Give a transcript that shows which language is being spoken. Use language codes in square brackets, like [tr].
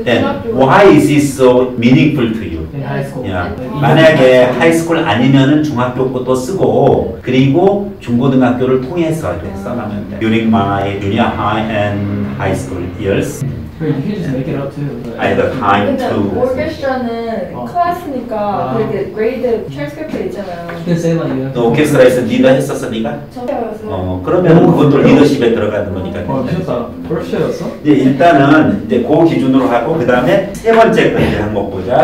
[en] Then why is it so meaningful to you? In high school. Yeah. [ko] 만약에 high school 아니면은 중학교 것도 쓰고 그리고 중고등학교를 통해서 이렇게 써나면 돼. [en] During my junior high and high school years. You can just make it up too. I have time to. [ko] 근데 오케스트라는 클래스니까 그렇게 grade 트랜스크립트 있잖아요. [en] You can say like you. [ko] 너 오케스트라에서 니가 했었어, 니가? 저요. 그러면 그것도 리더십에 들어가는 거니까. 아, 진짜 first였어? 예, 일단은 이제 그 기준으로 하고 그 다음에 세 번째 거 이제 한번 보자.